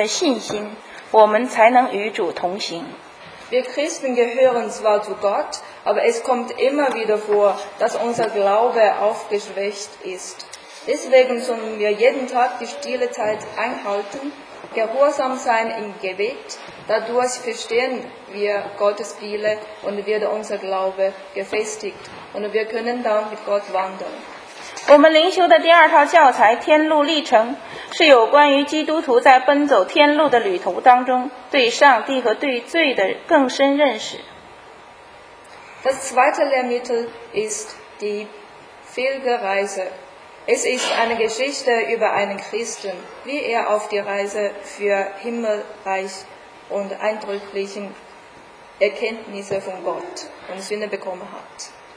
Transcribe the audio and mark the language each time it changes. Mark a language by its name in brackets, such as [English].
[Chinese] 我们基督徒虽然是属神的，然而我们依然有信心软弱的时候。这在我们将来的生活当中也是必然存在的。因此，每日用我们的心灵去读经，把顺服带进祷告中，才能明白神的旨意，才能坚固我们的信心，我们才能与主同行。 [German] Wir Christen gehören zwar zu Gott, aber es kommt immer wieder vor, dass unser Glaube aufgeschwächt ist. Deswegen sollen wir jeden Tag die stille Zeit einhalten, gehorsam sein im Gebet. Dadurch verstehen wir Gottes Wille und wird unser Glaube gefestigt. Und wir können dann mit Gott wandern. [Chinese] 我们灵修的第二套教材《天路历程》是有关于基督徒在奔走天路的旅途当中对上帝和对罪的更深认识。 [German] Das zweite Lehrmittel ist die Pilgerreise. Es ist eine Geschichte über einen Christen, wie er auf die Reise für Himmelreich und eindrücklichen Erkenntnisse von Gott und Sünde bekommen hat.